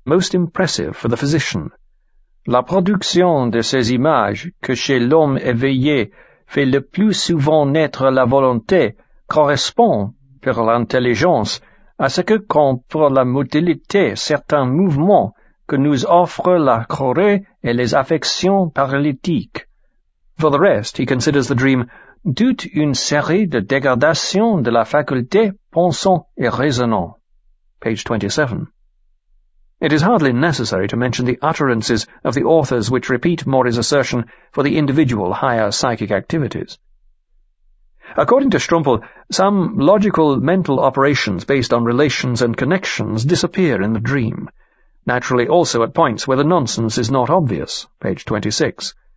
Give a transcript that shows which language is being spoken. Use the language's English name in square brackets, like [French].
[English] most impressive for the physician. [French] La production de ces images, que chez l'homme éveillé fait le plus souvent naître la volonté, correspond, pour l'intelligence, à ce que comprend la modalité certains mouvements que nous offrent la chorée et les affections paralytiques. [English] For the rest, he considers the dream [French] toute une série de dégradations de la faculté pensant et raisonnant. [English] Page 27. It is hardly necessary to mention the utterances of the authors which repeat Maury's assertion for the individual higher psychic activities. According to Strumpel, some logical mental operations based on relations and connections disappear in the dream, naturally also at points where the nonsense is not obvious, page 26.